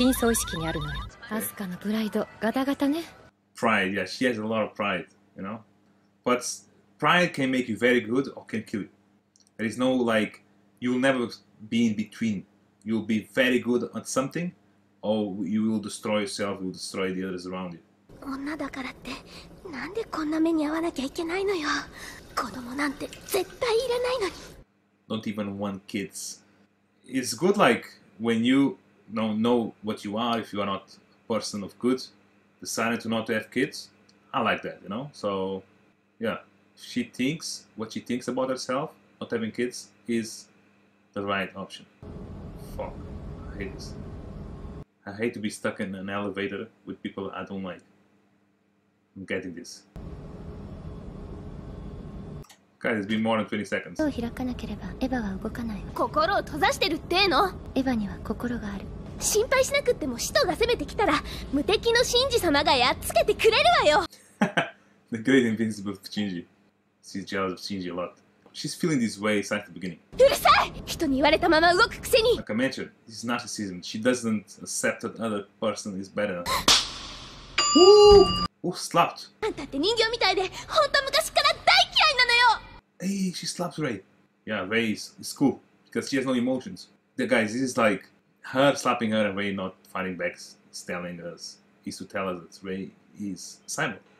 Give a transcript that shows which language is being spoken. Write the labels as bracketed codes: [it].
[ja] シンクロ率は表層的な身体の不調に左右されないわ。問題はもっと深層意識にあるのよ。アスカのプライド、ガタガタね。 [en] Pride, yeah, she has a lot of pride, you know. But pride can make you very good or can kill you. There is no, like, you'll never be in between. You'll be very good at something, or you will destroy yourself, you'll destroy the others around you. [ja] 女だからって、なんでこんな目に遭わなきゃいけないのよ。子供なんて絶対いらないのに。 [en] Don't even want kids. It's good, like, when you know what you are, if you are not a person of good, decided to not have kids. I like that, you know? So, yeah. She thinks, what she thinks about herself, not having kids, is the right option. Fuck. I hate this. I hate to be stuck in an elevator with people I don't like. I'm getting this. Guys, it's been more than 20 seconds. If you don't open your eyes, Eva will not move. You're closing your heart, right? Eva has a heart. If you don't worry, if the Shito comes to you, the enemy of Shinji will destroy you! Haha, the great invincible Shinji. She's jealous of Shinji a lot. She's feeling this way since the beginning. [ja] うるさい!人に言われたまま動くくせに! [en] Like I mentioned, this is narcissism. She doesn't accept that another person is better than her. Ooh, slapped! [ja] あんたって人形みたいで、本当昔から大嫌いなのよ! [en] Hey, she slaps Rei. Yeah, Rei is cool, because she has no emotions. The guys, this is like... Her slapping her and Rei not fighting back is telling us, is to tell us that Rei is Simon.